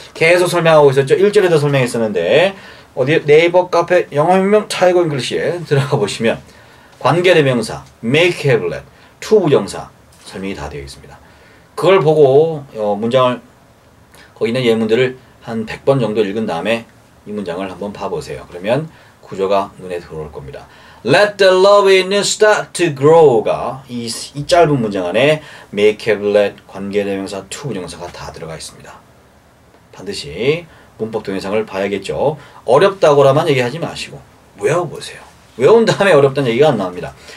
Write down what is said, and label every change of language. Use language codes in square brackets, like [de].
[ko] 계속 설명하고 있었죠. 1절에도 설명했었는데 어디 네이버 카페 영어명 타이거 잉글리시에 들어가 보시면 관계 대명사 make have let to 부정사 설명이 다 되어 있습니다. 그걸 보고 문장을 거기 있는 예문들을 한 100번 정도 읽은 다음에 이 문장을 한번 봐보세요. 그러면 구조가 눈에 들어올 겁니다. [en] Let the love in you start to grow [ko] 가 이 짧은 문장 안에 make have let 관계대명사 to 부정사가 다 들어가 있습니다. 반드시 문법 동영상을 봐야겠죠. 어렵다고라만 얘기하지 마시고 외워보세요. 외운 다음에 어렵다는 얘기가 안 나옵니다.